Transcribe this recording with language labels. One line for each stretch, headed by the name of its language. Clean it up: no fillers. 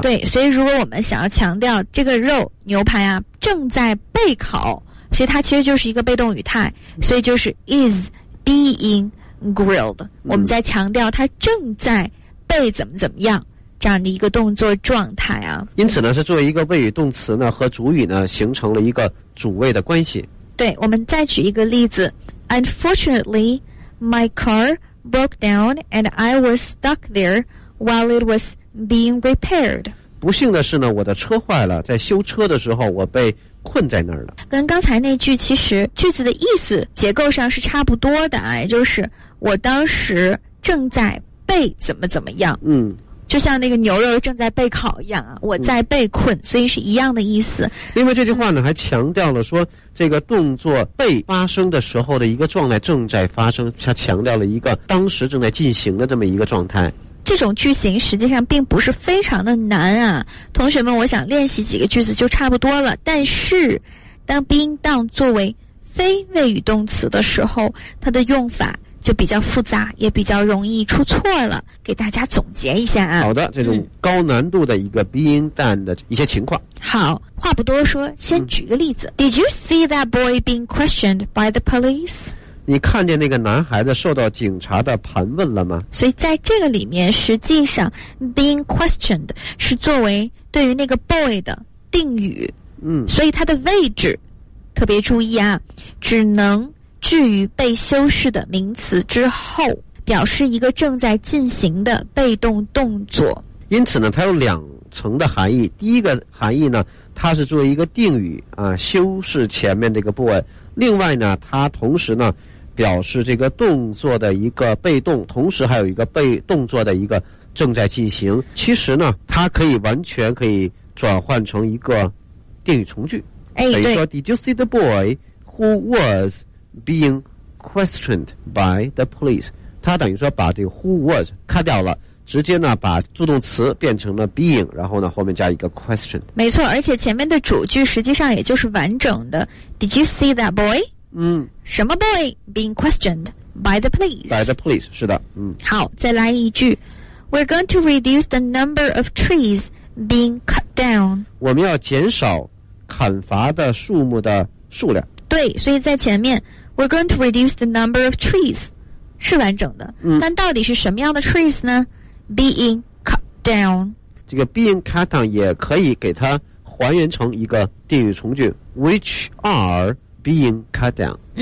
Chinese: 对，所以如果我们想要强调这个肉牛排啊正在被烤，所以它其实就是一个被动语态，所以就是
English: isBeing grilled，
Chinese: 我们在强调它正在被怎么怎么样这样的一个动作状态啊。因此呢，是作为一个谓语动词呢，和主语呢形成了一个主谓的关系。对，我们再举一个例子
English: ：Unfortunately, my car broke down and I was stuck there while it was being repaired。
Chinese: 不幸的是呢，我的车坏了，在修车的时候我被困在那儿了。跟刚才那句其实句子的意思结构上是差不多的，也就是我当时正在被怎么怎么样，就像那个牛肉正在被烤一样，我在被困，所以是一样的意思。另外这句话呢还强调了说这个动作被发生的时候的一个状态正在发生，它强调了一个当时正在进行的这么一个状态。这种句型实际上并不是非常的难啊，同学们，我想练习几个句子就差不多了。但是当 being done 作为非谓语动词的时候，它的用法就比较复杂，也比较容易出错了。给大家总结一下啊。好的，这种高难度的一个 being done 的一些情况。好，话不多说，先举个例子。
English: Did you see that boy being questioned by the police?
Chinese: 你看见那个男孩子受到警察的盘问了吗？所以在这个里面，实际上
English: being questioned
Chinese: 是作为对于那个 boy 的定语，所以它的位置特别注意啊，只能置于被修饰的名词之后，表示一个正在进行的被动动作。因此呢，它有两层的含义。第一个含义呢，它是作为一个定语啊，修饰前面这个 boy。另外呢，它同时呢表示这个动作的一个被动，同时还有一个被动作的一个正在进行。其实呢，它可以完全可以转换成一个定语从句，比如说
English: Did you see the boy who was being questioned by the police?
Chinese: 它等于说把这个 who was 咔掉了，直接呢把助动词变成了 being， 然后呢后面加一个 question。没错，而且前面的主句实际上也就是完整的
English: Did you see that boy？
Chinese: 什么
English: boy being questioned by the police？ By the police，
Chinese: 是的。
English: 好，再来一句， We're going to reduce the number of trees being cut down。
Chinese: 我们要减少砍伐的树木的数量。对，所以在前面
English: We're going to reduce the number of trees
Chinese: 是完整的，但到底是什么样的 trees 呢？
English: Being cut down，
Chinese: 这个 being cut down 也可以给它还原成一个定语从句 ，
English: which are being cut down。